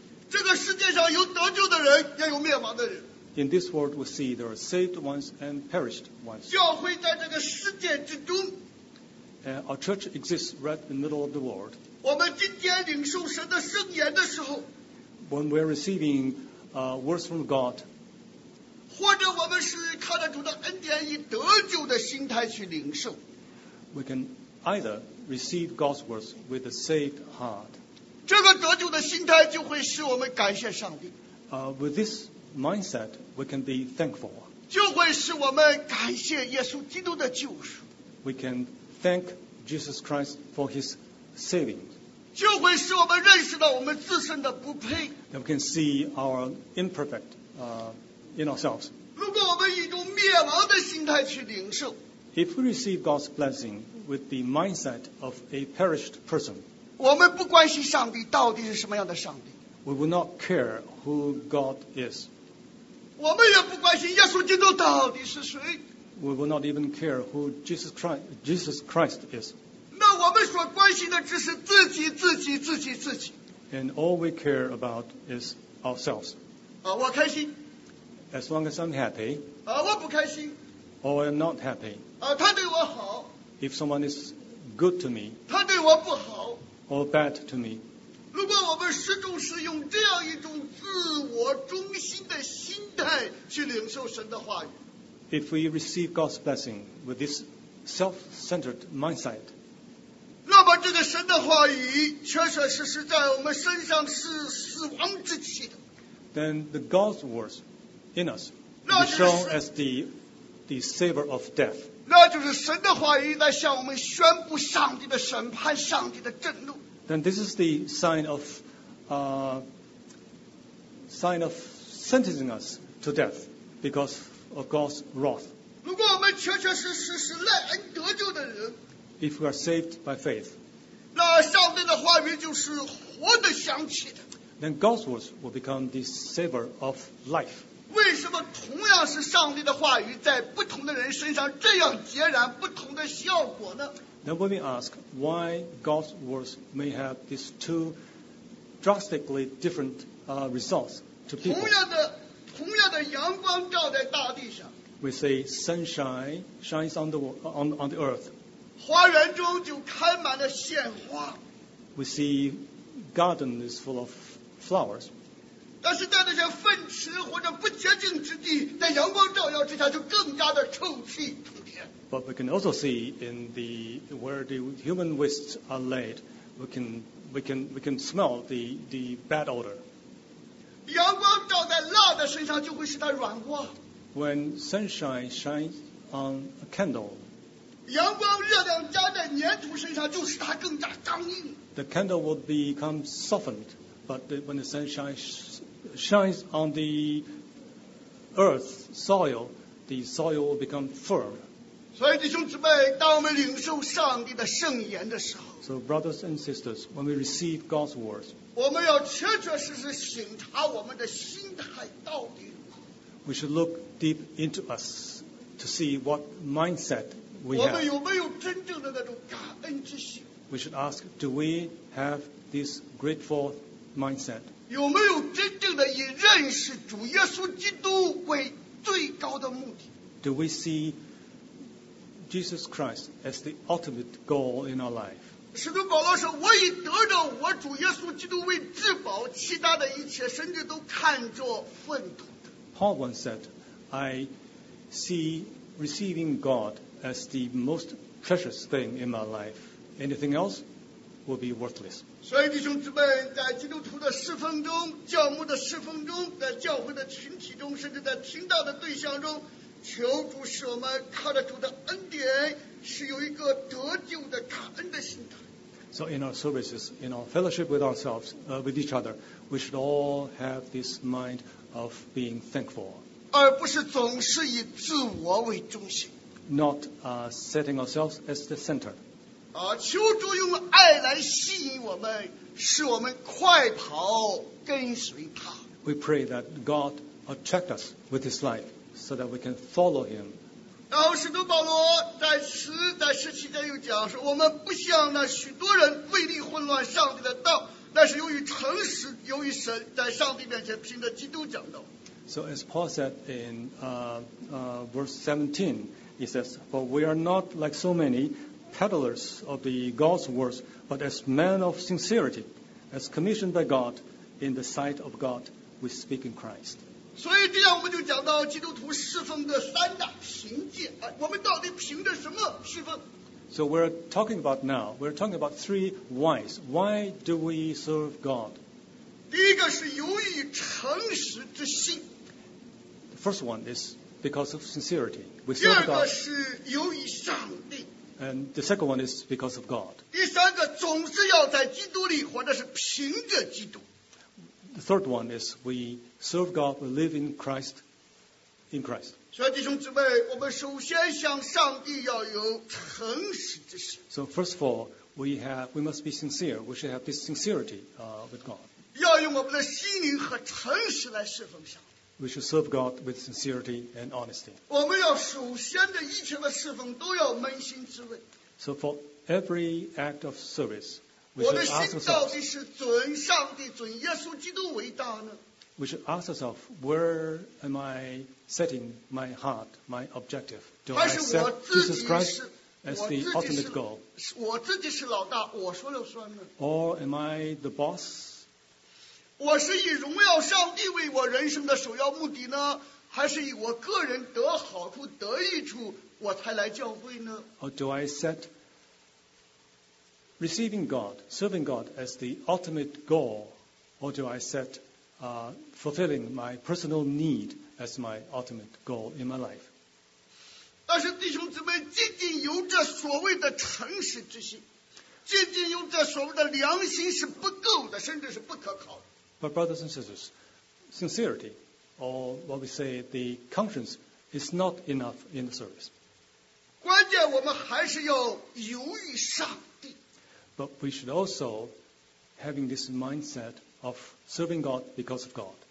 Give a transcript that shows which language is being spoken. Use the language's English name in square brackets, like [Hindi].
[Chinese] 这个世界上有得救的人，也有灭亡的人。 [English] In this world, we see there are saved ones and perished ones. [Chinese] 教会在这个世界之中。 [English] And our church exists right in the middle of the world. [Chinese] 我们今天领受神的圣言的时候。 [English] When we are receiving words from God. [Chinese] 或者我们是看着主的恩典以得救的心态去领受。 [English] We can either receive God's words with a saved heart. [Chinese] 这个得救的心态就会使我们感谢上帝。 [English] With this mindset, we can be thankful. [Chinese] 就会使我们感谢耶稣基督的救赎。 [English] We can thank Jesus Christ for his saving. [Chinese] 就会使我们认识到我们自身的不配。 [English] That we can see our imperfect in ourselves. [Chinese] 如果我们以一种灭亡的心态去领受。 [English] If we receive God's blessing with the mindset of a perished person, [Chinese] 我们不关心上帝到底是什么样的上帝。 [English] We will not care who God is. [Chinese] 我们也不关心耶稣基督到底是谁。 [English] We will not even care who Jesus Christ is. [Chinese] 那我们所关心的只是自己，自己，自己，自己。 [English] And all we care about is ourselves. [Chinese] 我开心。 [English] As long as I'm happy. [Chinese] 我不开心。 [English] Or I'm not happy. [Chinese] 他对我好。 [English] If someone is good to me. [Chinese] 他对我不好。 [English] Or bad to me. [Chinese] 如果我们始终是用这样一种自我中心的心态去领受神的话语。 [English] If we receive God's blessing with this self-centered mindset, [Chinese] 那么这个神的话语确确实实在我们身上是死亡之气的。 [English] Then the God's words in us will be shown as the savor of death. [Chinese] 那就是神的话语在向我们宣布上帝的审判，上帝的震怒。 [English] Then this is the sign of sentencing us to death because. Of God's wrath. [Chinese] 如果我们确确实实是赖恩得救的人， [English] if we are saved by faith, [Chinese] 那上帝的话语就是活的香气的。 [English] Then God's words will become the savor of life. [Chinese] 为什么同样是上帝的话语，在不同的人身上这样截然不同的效果呢？ [English] Then when we ask why God's words may have these two drastically different results to people. [Chinese] 同样的阳光照在大地上。 [English] We say sunshine shines on the earth. [Chinese] 花园中就开满了鲜花。 [English] We see garden is full of flowers. [Chinese] 但是在那些粪池或者不洁净之地，在阳光照耀之下就更加的臭气冲天。 [English] But we can also see in the where the human wastes are laid, we can smell the bad odor. [Chinese] 阳光照在蜡的身上就会使它软化。 [English] When sunshine shines on a candle, [Chinese] 阳光热量加在粘土身上就使它更加刚硬。 [English] The candle will become softened, but when the sunshine shines on the earth soil, the soil will become firm. [Chinese] 所以弟兄姊妹，当我们领受上帝的圣言的时候， [English] So brothers and sisters, when we receive God's words, [Chinese] 我们要确确实实审查我们的心态到底如何。 [English] We should look deep into us to see what mindset we have. [Chinese] 我们有没有真正的那种感恩之心？ [English] We should ask, do we have this grateful mindset? [Chinese] 有没有真正的以认识主耶稣基督为最高的目的？ [English] Do we see Jesus Christ as the ultimate goal in our life? [Chinese] 使徒保罗说：“我已得着我主耶稣基督为至宝，其他的一切甚至都看作粪土的。” [English] Paul once said, "I see receiving God as the most precious thing in my life. Anything else will be worthless." [Chinese] 所以弟兄姊妹，在基督徒的侍奉中、教牧的侍奉中、在教会的群体中，甚至在听到的对象中，求主使我们靠着主的恩典是有一个得救的感恩的心态。 [English] So in our services, in our fellowship with ourselves, with each other, we should all have this mind of being thankful. [Chinese] 而不是总是以自我为中心。 [English] Not setting ourselves as the center. [Chinese] 求主用爱来吸引我们，使我们快跑跟随他。 [English] We pray that God attract us with His light, so that we can follow Him. [Chinese] 然后使徒保罗在十在十七节又讲说，我们不像那许多人为利混乱上帝的道，但是由于诚实，由于神在上帝面前凭着基督讲道。 [English] So as Paul said in verse 17, he says, "For we are not like so many peddlers of the God's words, but as men of sincerity, as commissioned by God, in the sight of God, we speak in Christ." [Chinese] 所以这样我们就讲到基督徒侍奉的三大凭借，我们到底凭着什么侍奉？ [English] So we're talking about now. We're talking about three whys. Why do we serve God? [Chinese] 第一个是由于诚实之心。 [English] First one is because of sincerity. We serve God. [Chinese] 第二个是由于上帝。 [English] And the second one is because of God. [Chinese] 第三个总是要在基督里，或者是凭着基督。 [English] The third one is we serve God, we live in Christ, in Christ. [Chinese] 所以弟兄姊妹，我们首先向上帝要有诚实之心。 [English] So first of all, we must be sincere. We should have this sincerity with God. [Chinese] 要用我们的心灵和诚实来侍奉上帝。 [English] We should serve God with sincerity and honesty. [Chinese] 我们要首先的一切的侍奉都要扪心自问。 [English] So for every act of service, we [Chinese] 我的心到底是尊上帝、尊耶稣基督为大呢？ [English] We should ask ourselves, where am I setting my heart, my objective? Do I set Jesus Christ as the ultimate goal? [Chinese] 我自己是老大，我说了算呢。 [English] Or am I the boss? [Chinese] 我是以荣耀上帝为我人生的首要目的呢，还是以我个人得好处得益处我才来教会呢？ [English] Or do I set receiving God, serving God as the ultimate goal, or do I set fulfilling my personal need as my ultimate goal in my life? [Chinese] 但是弟兄姊妹，仅仅有着所谓的诚实之心，仅仅有着所谓的良心是不够的，甚至是不可靠的。 [English] But brothers and sisters, sincerity, or what we say, the conscience, is not enough in the service. [Chinese] 关键我们还是要由于上帝。 [English] But we should also having this mindset of serving God because of God.